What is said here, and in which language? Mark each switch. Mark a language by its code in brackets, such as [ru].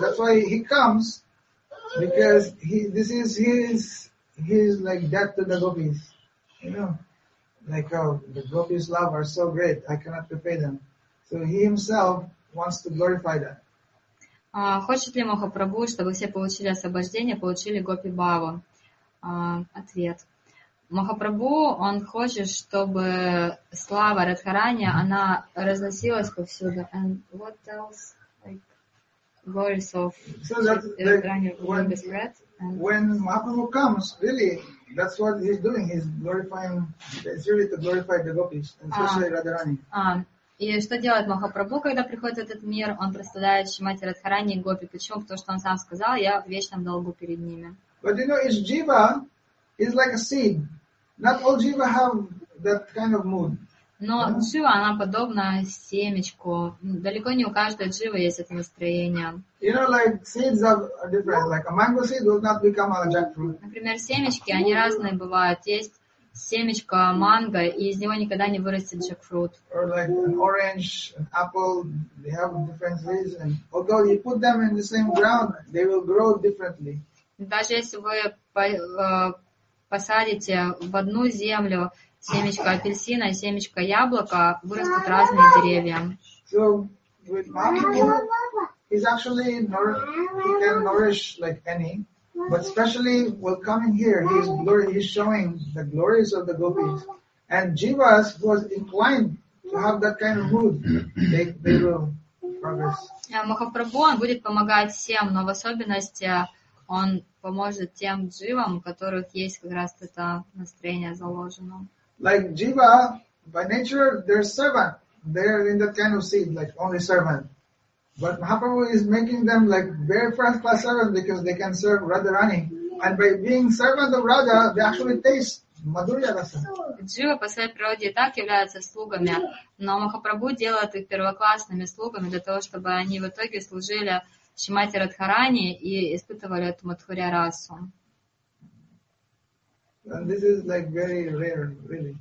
[en] That's why he comes, because this is his like death to the gopis. You know, like how the gopis' love are so great, I cannot repay them. So he himself wants to glorify that. [ru] Хочет ли Махапрабху, чтобы все получили освобождение, получили гопи бхаву? Ответ. Махапрабху, он хочет, чтобы слава Радхарани, она разносилась повсюду. [en] And what else, like, glories of Radharani will be spread? When Mahaprabhu comes, really, that's what he's doing. He's glorifying, it's really to glorify the gopis, especially Radharani. [ru] И что делает Махапрабху, когда приходит в этот мир? Он представляет Шримати Радхарани и гопи. Почему? Потому что он сам сказал, я в вечном долгу перед ними. [en] But you know, it's jiva, it's like a seed. Not all jiva have that kind of mood. [ru] Но джива, она подобна семечку. Далеко не у каждой дживы есть это настроение. [en] You know, like seeds are different. Like a mango seed will not become a jackfruit. [ru] Например, семечки, они разные бывают. Есть семечко манго, и из него никогда не вырастет джекфрут. [en] Or like an orange, an apple, they have different seeds. Although you put them in the same ground, they will grow differently. [ru] Даже если вы посадите в одну землю семечко апельсина и семечко яблока, вырастут разные деревья. [en] So with Mahaprabhu, he's actually he can nourish like any, but especially while coming here, he's showing the glories of the gopis. And jivas who are inclined to have that kind of mood, they will progress. [ru] Махапрабху, он будет помогать всем, но в особенности он поможет тем дживам, у которых есть как раз это настроение заложено. [en] Like jiva, by nature, they're servant. They're in that kind of seed, like only servant. But Mahaprabhu is making them like very first class servant because they can serve Radharani. And by being servant of Radha, they actually taste madhurya rasa. [ru] Jiva по своей природе и так являются слугами, но Махапрабху делает их первоклассными слугами для того, чтобы они в итоге служили Шримати Радхарани и испытывали эту мадхурья расу. [en] And this is like very rare, really.